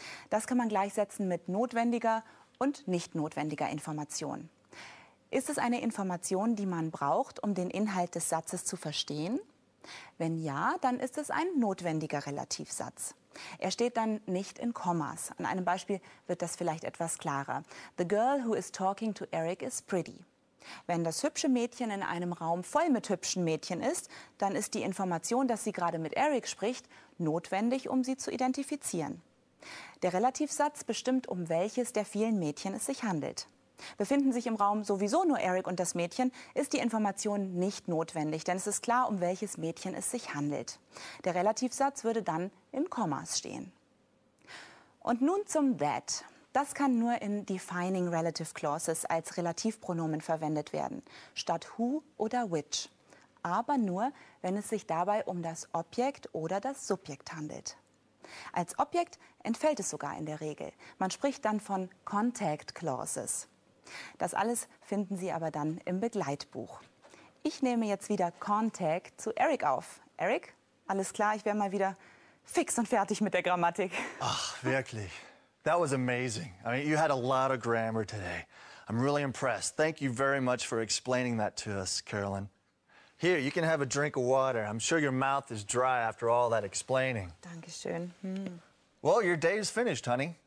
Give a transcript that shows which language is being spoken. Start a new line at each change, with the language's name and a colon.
German: Das kann man gleichsetzen mit notwendiger und nicht notwendiger Information. Ist es eine Information, die man braucht, um den Inhalt des Satzes zu verstehen? Wenn ja, dann ist es ein notwendiger Relativsatz. Er steht dann nicht in Kommas. An einem Beispiel wird das vielleicht etwas klarer.
English: The girl who is talking to Eric is pretty.
German: Wenn das hübsche Mädchen in einem Raum voll mit hübschen Mädchen ist, dann ist die Information, dass sie gerade mit Eric spricht, notwendig, um sie zu identifizieren. Der Relativsatz bestimmt, um welches der vielen Mädchen es sich handelt. Befinden sich im Raum sowieso nur Eric und das Mädchen, ist die Information nicht notwendig, denn es ist klar, um welches Mädchen es sich handelt. Der Relativsatz würde dann in Kommas stehen. Und nun zum that. Das kann nur in defining relative clauses als Relativpronomen verwendet werden, statt who oder which. Aber nur, wenn es sich dabei um das Objekt oder das Subjekt handelt. Als Objekt entfällt es sogar in der Regel. Man spricht dann von contact clauses. Das alles finden Sie aber dann im Begleitbuch. Ich nehme jetzt wieder Contact zu Eric auf. Eric, alles klar, ich wäre mal wieder fix und fertig mit der Grammatik. Ach, wirklich.
English: That was amazing. I mean, you had a lot of grammar today. I'm really impressed. Thank you very much for explaining that to us, Carolyn. Here, you can have a drink of water. I'm sure your mouth is dry after all that explaining.
German: Dankeschön. Hm.
English: Well, your day is finished, honey.